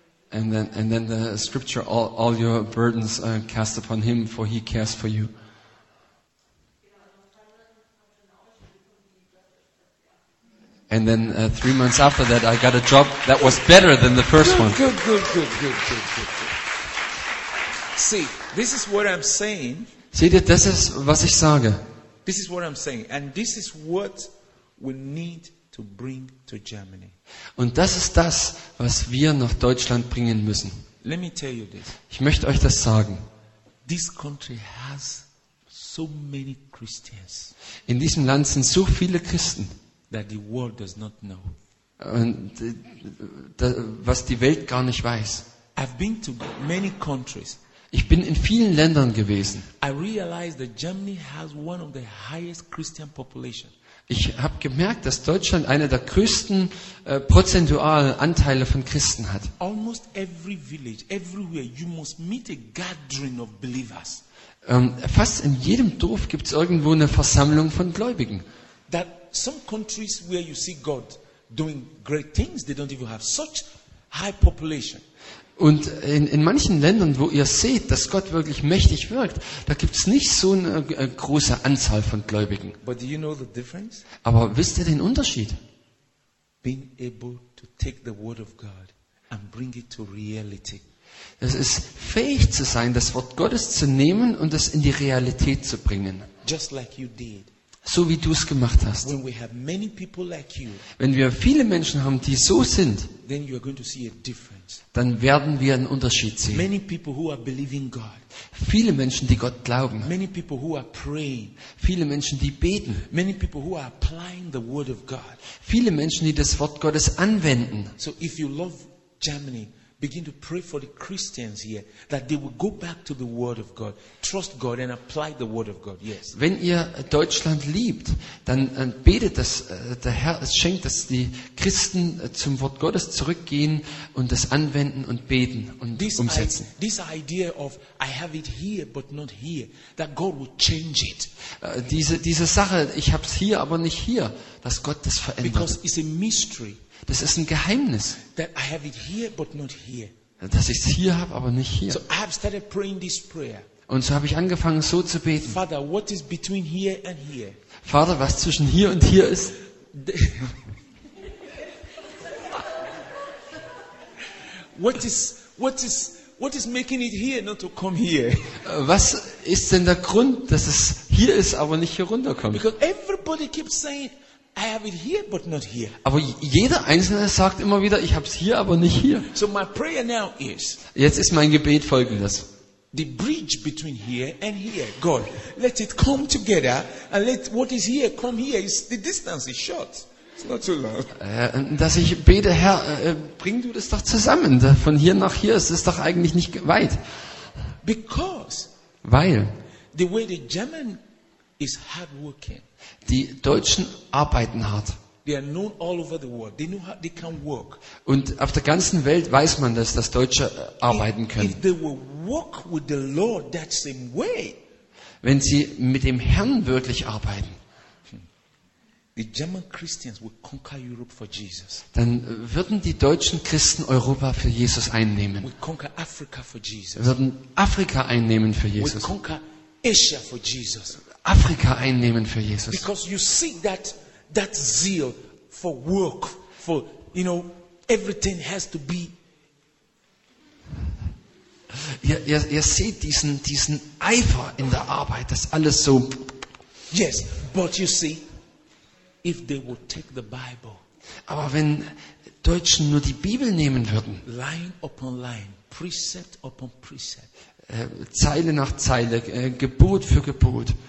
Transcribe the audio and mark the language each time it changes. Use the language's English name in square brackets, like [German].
[English] And then the scripture, all your burdens are cast upon him, for he cares for you. And then 3 months after that, I got a job that was better than the first good, one. Good. See, this is what I'm saying. [German] Seht ihr, das ist, was ich sage. [English] This is what I'm saying. And this is what we need to bring to Germany. [German] Und das ist das, was wir nach Deutschland bringen müssen. [English] Let me tell you this. [German] Ich möchte euch das sagen. [English] This country has so many Christians. [German] In diesem Land sind so viele Christen. [English] That the world does not know. [German] Und was die Welt gar nicht weiß. [English] I've been to many countries. [German] Ich bin in vielen Ländern gewesen. [English] I realized that Germany has one of the highest Christian population. [German] Ich habe gemerkt, dass Deutschland eine der größten prozentualen Anteile von Christen hat. [English] Almost every village, everywhere, you must meet a gathering of believers. [German] Fast in jedem Dorf gibt es irgendwo eine Versammlung von Gläubigen. [English] That some countries where you see God doing great things, they don't even have such high population. [German] Und in manchen Ländern, wo ihr seht, dass Gott wirklich mächtig wirkt, da gibt es nicht so eine große Anzahl von Gläubigen. [English] But do you know the difference? [German] Aber wisst ihr den Unterschied? [English] Being able to take the word of God and bring it to reality. [German] Es ist fähig zu sein, das Wort Gottes zu nehmen und es in die Realität zu bringen. [English] Just like you did. [German] So wie du es gemacht hast. [English] When we have many people like you, [German] wenn wir viele Menschen haben, die so sind, [English] then you are going to see a difference. [German] Dann werden wir einen Unterschied sehen. [English] Many people who are believing God. [German] Viele Menschen, die Gott glauben. [English] Many people who are praying. [German] Viele Menschen, die beten. [English] Many people who are applying the word of God. [German] Viele Menschen, die das Wort Gottes anwenden. [English] So if you love Germany, begin to pray for the Christians here that they will go back to the word of God, trust God and apply the word of God. Yes. [German] Wenn ihr Deutschland liebt, dann betet, dass der Herr es schenkt, dass die Christen zum Wort Gottes zurückgehen und das anwenden und beten und [English] this [German] umsetzen. [English] This idea of I have it here but not here, that God will change it. [German] Diese Sache, ich habe es hier, aber nicht hier, dass Gott das verändert. [English] Because it's a mystery. [German] Das ist ein Geheimnis. [English] That I have it here, but not here. [German] Dass ich es hier habe, aber nicht hier. [English] So I have started praying this prayer. [German] Und so habe ich angefangen, so zu beten. [English] Father, what is between here and here? [German] Vater, was zwischen hier und hier ist? [English] What is making it here, not to come here? [German] Was ist denn der Grund, dass es hier ist, aber nicht hier runterkommt? [English] Because everybody keeps saying, I have it here, but not here. [German] Aber jeder Einzelne sagt immer wieder, ich habe es hier, aber nicht hier. [English] So my prayer now is, [German] jetzt ist mein Gebet folgendes. [English] the bridge between here and here. God, let it come together and let what is here come here. It's, the distance is short. It's not too long. [German] Dass ich bete, Herr, bring du das doch zusammen. Von hier nach hier, es ist doch eigentlich nicht weit. [English] Because [German] weil [English] the way the German is hard working. [German] Die Deutschen arbeiten hart. [English] They are known all over the world. They know how they can work. [German] Und auf der ganzen Welt weiß man, dass das Deutsche arbeiten können. [English] If they will work with the Lord that same way. [German] Wenn sie mit dem Herrn wirklich arbeiten. [English] The German Christians will conquer Europe for Jesus. [German] Dann würden die deutschen Christen Europa für Jesus einnehmen. [English] We conquer Africa for Jesus. [German] Würden Afrika einnehmen für Jesus. [English] We conquer Asia for Jesus. [German] Afrika einnehmen für Jesus. [English] Because you see that that zeal for work, for, you know, everything has to be. [German] Ihr seht diesen Eifer in der Arbeit, das alles so. [English] Yes, but you see, if they would take the Bible. [German] Aber wenn Deutschen nur die Bibel nehmen würden. [English] Line upon line, precept upon precept. [German] Zeile nach Zeile, Gebot für Gebot.